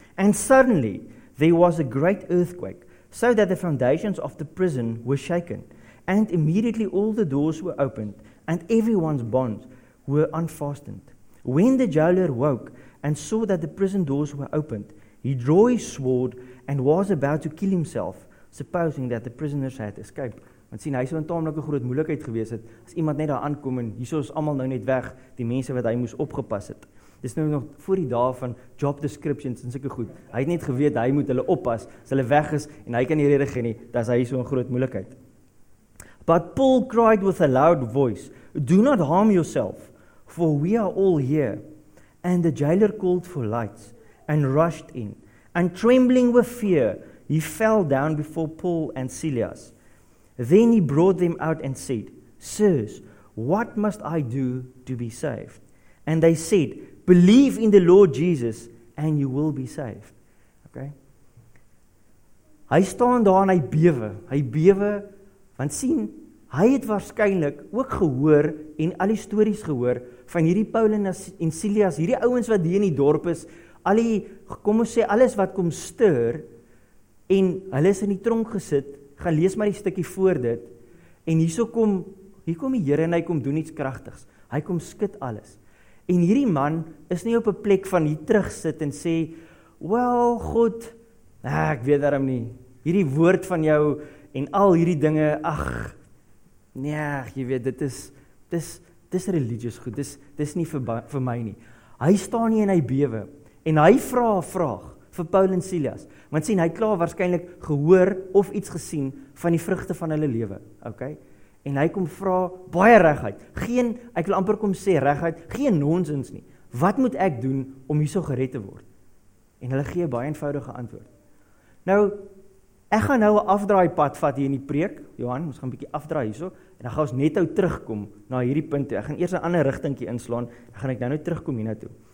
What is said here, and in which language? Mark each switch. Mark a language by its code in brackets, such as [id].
[en] And suddenly, there was a great earthquake, so that the foundations of the prison were shaken. And immediately all the doors were opened, and everyone's bonds were unfastened. When the jailer woke and saw that the prison doors were opened, he drew his sword and was about to kill himself, supposing that the prisoners had escaped. [af] Want sien, hy sou 'n taamlike groot moeilikheid gewees het, as iemand net daar aankom en hieso is almal nou net weg, die mense wat hy moes opgepas het. Dis nou nog voor die dae van job descriptions en sulke goed. Hy het net geweet, hy moet hulle oppas, as hulle weg is en hy kan nie rede gee nie, dat hy so 'n groot moeilikheid. [en] But Paul cried with a loud voice, "Do not harm yourself, for we are all here." And the jailer called for lights and rushed in. And trembling with fear, he fell down before Paul and Silas. Then he brought them out and said, "Sirs, what must I do to be saved?" And they said, "Believe in the Lord Jesus and you will be saved." [af] Okay? Hy staan daar en hy bewe. Hy bewe, want sien, hy het waarskynlik ook gehoor en al die stories gehoor van hierdie Paul en Silas, hierdie ouens wat hier in die dorp is, al die, kom ons sê, alles wat kom stuur en hulle is in die tronk gesit. Gaan lees maar die stukkie voor dit. En hier kom die Here en hy kom doen iets kragtigs. Hy kom skud alles. En hierdie man is nie op 'n plek van hier terug sit en sê, "Wel, God, ek weet daarom nie. Hierdie woord van jou en al hierdie dinge, ag, nee, jy weet dit is religious goed. Dis nie vir my nie." Hy staan nie en hy bewe en hy vra 'n vraag vir Paul en Silas. Want sien, hy het klaar waarskynlik gehoor of iets gesien van die vrugte van hulle lewe, okay? En hy kom vra baie reguit. Ek wil amper kom sê reguit, geen nonsens nie. Wat moet ek doen om hierso gered te word? En hulle gee 'n baie eenvoudige antwoord. Nou, ek gaan nou 'n afdraai pad vat hier in die preek. Johan, ons gaan 'n bietjie afdraai hierso en dan gaan ons net nou terugkom na hierdie punt toe. Ek gaan eers 'n ander rigtingkie inslaan, dan gaan ek nou terugkom hiernatoe.